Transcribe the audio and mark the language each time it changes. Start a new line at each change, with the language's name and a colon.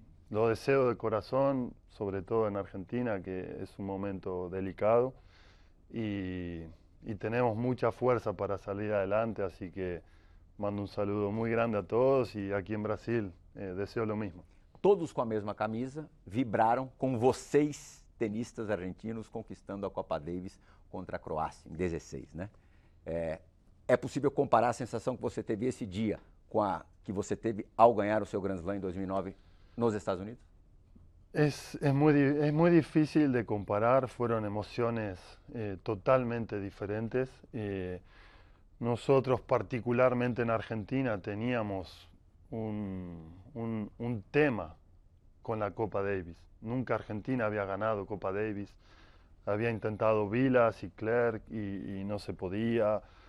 Spanish: Lo deseo de corazón, sobre todo en Argentina, que es un momento delicado y tenemos mucha fuerza para salir adelante, así que mando un saludo muy grande a todos y aquí en Brasil deseo lo mismo.
Portuguese: Todos com a mesma camisa vibraram com vocês, tenistas argentinos, conquistando a Copa Davis contra a Croácia, em 16, né? É possível comparar a sensação que você teve esse dia com a que você teve ao ganhar o seu Grand Slam em 2009 nos Estados Unidos? É muito difícil de comparar, foram emoções totalmente diferentes.
Spanish: Nosotros, particularmente na Argentina, teníamos un tema con la Copa Davis. Nunca Argentina había ganado Copa Davis. Había intentado Vilas y Clerc y no se podía.